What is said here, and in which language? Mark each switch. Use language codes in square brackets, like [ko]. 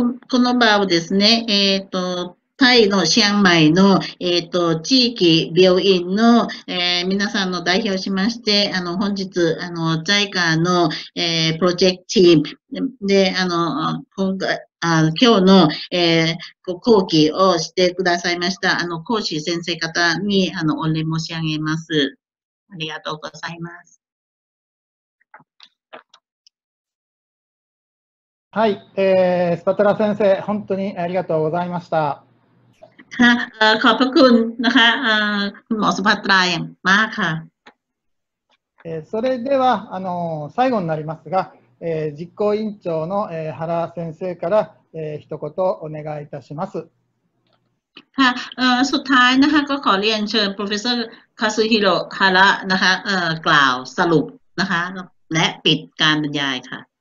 [ja] この場をですね、タイのシアンマイの、地域病院の、皆さんの代表しまして、本日、ジャイカーの、プロジェクトチームで、今日の、ご講義をしてくださいました、講師先生方に、お礼申し上げます。ありがとうございます。はい、スパトラ先生、本当にありがとうございました。 [th] ขอบคุณนะคะ、คุณหมอสุภัทรา มากค่ะ。 [ja] それでは、最後になりますが、実行委員長の、原先生から、一言お願いいたします。 [th] สุดท้ายนะคะก็ขอเรียนเชิญ Professor Kazuhiro Hara นะคะ、กล่าวสรุปนะคะและปิดการบรรยายค่ะ